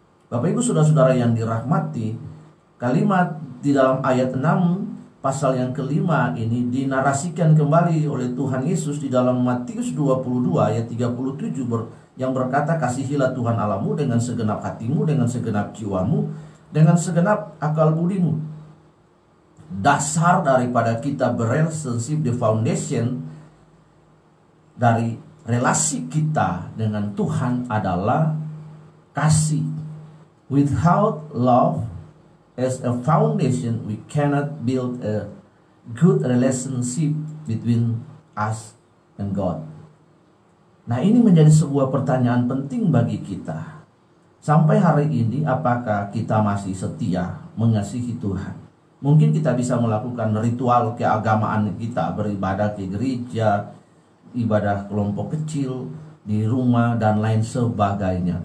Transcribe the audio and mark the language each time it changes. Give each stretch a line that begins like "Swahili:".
Indonesian: Bapak Ibu Saudara-saudara yang dirahmati, kalimat di dalam ayat 6 pasal yang ke-5 ini dinarasikan kembali oleh Tuhan Yesus di dalam Matius 22 ayat 37 yang berkata, kasihilah Tuhan Allahmu dengan segenap hatimu, dengan segenap jiwamu, dengan segenap akal budimu. Dasar daripada kita berrelationship,
English: the foundation
Indonesian: dari relasi kita dengan Tuhan adalah kasih.
English: Without love as a foundation, we cannot build a good relationship between us and God.
Indonesian: Nah, ini menjadi sebuah pertanyaan penting bagi kita. Sampai hari ini, apakah kita masih setia mengasihi Tuhan? Mungkin kita bisa melakukan ritual keagamaan kita, beribadah ke gereja, ibadah kelompok kecil, di rumah, dan lain sebagainya.